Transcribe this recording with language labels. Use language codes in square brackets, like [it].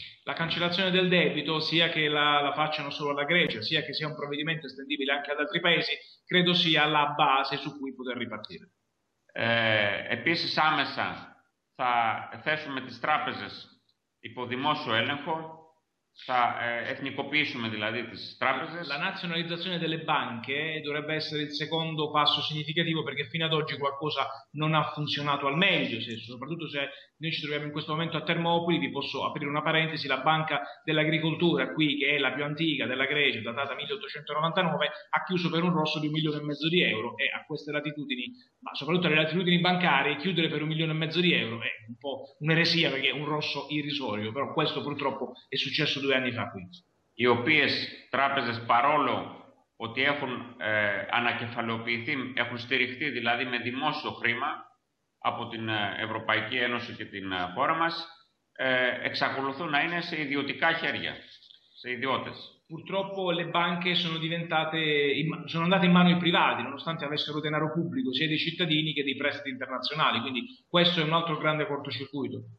[it] La cancellazione del debito, sia che la facciano solo alla Grecia, sia che sia un provvedimento estendibile anche ad altri paesi, credo sia la base su cui poter ripartire. [el] Επίσης άμεσα θα θέσουμε τις τράπεζες υπό δημόσιο έλεγχο, θα εθνικοποιήσουμε δηλαδή τις τράπεζες. [it] La nazionalizzazione delle banche dovrebbe essere il secondo passo significativo perché fino ad oggi qualcosa non ha funzionato al meglio, soprattutto se noi ci troviamo in questo momento a Termopili. Vi posso aprire una parentesi: la banca dell'agricoltura qui, che è la più antica della Grecia, datata 1899, ha chiuso per un rosso di 1,5 milioni di euro, e a queste latitudini, ma soprattutto alle latitudini bancarie, chiudere per 1,5 milioni di euro è un po' un'eresia, perché è un rosso irrisorio, però questo purtroppo è successo 2 anni fa qui. [el] Οι οποίες τράπεζες, παρόλο ότι έχουν ανακεφαλαιοποιηθεί, έχουν στηριχθεί δηλαδή με δημόσιο χρήμα από την Ευρωπαϊκή Ένωση και την χώρα μας, εξακολουθούν να είναι σε ιδιωτικά χέρια, σε ιδιώτες. [it] Purtroppo le banche sono andate in mano ai privati, nonostante avessero denaro pubblico, sia dei cittadini che dei prestiti internazionali, quindi questo è un altro grande cortocircuito.